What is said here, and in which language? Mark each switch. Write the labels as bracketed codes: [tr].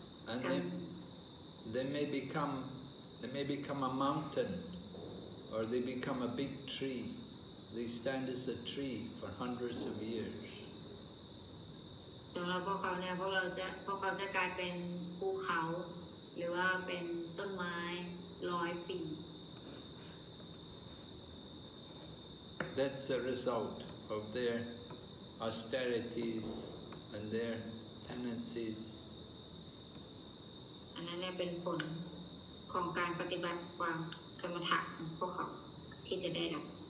[en] And they may become a mountain or they become a big tree they stand as a tree for hundreds of years [th] สำหรับพวกเขาเนี่ยพวกเขาจะกลายเป็นภูเขาหรือว่าเป็นต้นไม้ร้อยปี [en] That's the result of their austerities and their tendencies. And that is the result of their practices of samatha that they have gained.